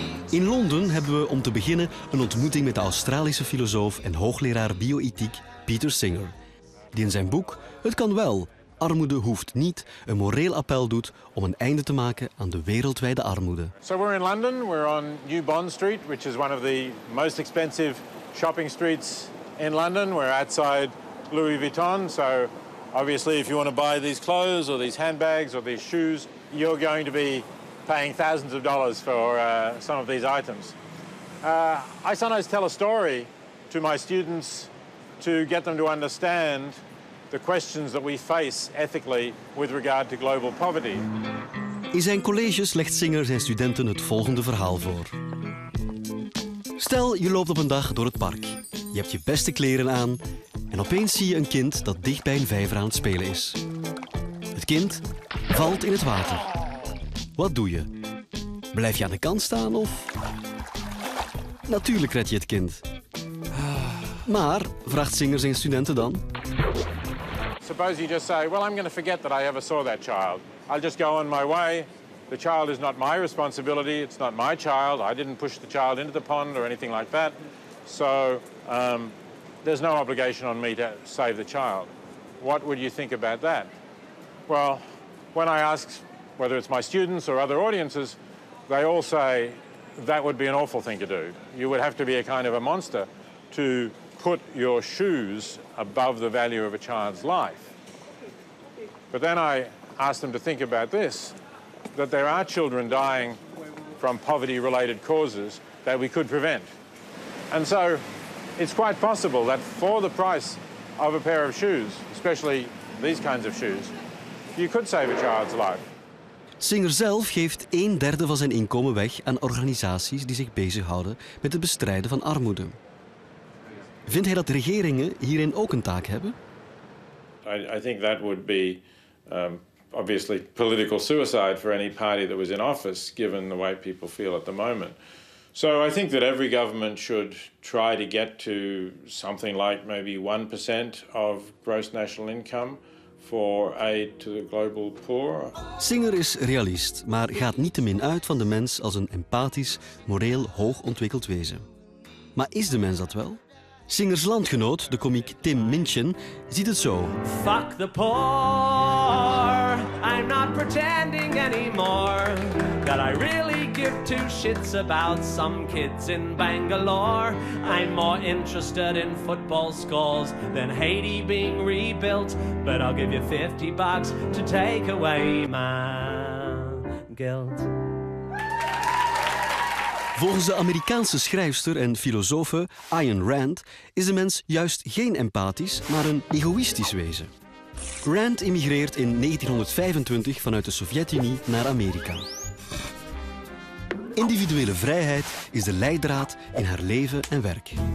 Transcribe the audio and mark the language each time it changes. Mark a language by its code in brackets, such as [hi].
[nl] In Londen hebben we om te beginnen een ontmoeting met de Australische filosoof en hoogleraar bioethiek Peter Singer, die in zijn boek Het kan wel, armoede hoeft niet, een moreel appel doet om een einde te maken aan de wereldwijde armoede. [en] So we're in London, we're on New Bond Street, which is one of the most expensive shopping streets in London. We're outside Louis Vuitton, so obviously if you want to buy these clothes or these handbags or these shoes, you're going to be paying thousands of dollars for some of these items. I sometimes tell a story to my students to get them to understand the questions that we face ethically with regard to global poverty. [nl] In zijn colleges legt Singer zijn studenten het volgende verhaal voor. Stel, je loopt op een dag door het park. Je hebt je beste kleren aan en opeens zie je een kind dat dicht bij een vijver aan het spelen is. Het kind valt in het water. Wat doe je? Blijf je aan de kant staan of... Natuurlijk red je het kind. Maar, vraagt Singer zijn studenten dan... [en] Suppose you just say, well, I'm going to forget that I ever saw that child. I'll just go on my way. The child is not my responsibility. It's not my child. I didn't push the child into the pond or anything like that. So there's no obligation on me to save the child. What would you think about that? Well, when I ask whether it's my students or other audiences, they all say that would be an awful thing to do. You would have to be a kind of a monster to put your shoes above the value of a child's life. But then I ask them to think about this, that there are children dying from poverty-related causes that we could prevent. And so it's quite possible that for the price of a pair of shoes, especially these kinds of shoes, you could save a child's life. [nl] Singer zelf geeft 1/3 van zijn inkomen weg aan organisaties die zich bezighouden met het bestrijden van armoede. Vindt hij dat regeringen hierin ook een taak hebben? [en] I think that would be obviously political suicide for any party that was in office, given the way people feel at the moment. So I think that every government should try to get to something like maybe 1% of gross national income for aid to the global poor. [nl] Singer is realist, maar gaat niettemin uit van de mens als een empathisch, moreel hoog ontwikkeld wezen. Maar is de mens dat wel? Singers landgenoot, de komiek Tim Minchin, ziet het zo. [en] Fuck the poor. I'm not pretending anymore. That I really give give two shits about some kids in Bangalore. I'm more interested in football scores than Haiti being rebuilt. But I'll give you $50 to take away my guilt. [nl] Volgens de Amerikaanse schrijfster en filosofe Ayn Rand is de mens juist geen empathisch, maar een egoïstisch wezen. Rand immigreert in 1925 vanuit de Sovjet-Unie naar Amerika. Individuele vrijheid is de leidraad in haar leven en werk.